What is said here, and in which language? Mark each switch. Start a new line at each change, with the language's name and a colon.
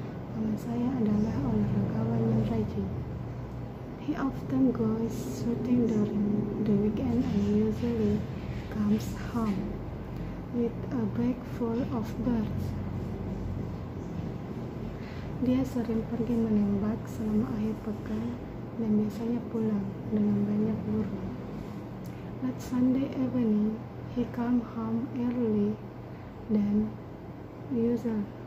Indonesian: Paman saya adalah olahragawan yang rajin.
English: He often goes shooting during the weekend and usually comes home with a bag full of birds.
Indonesian: Dia sering pergi menembak selama akhir pekan dan biasanya pulang dengan banyak burung.
English: That Sunday evening, he come home early than usual.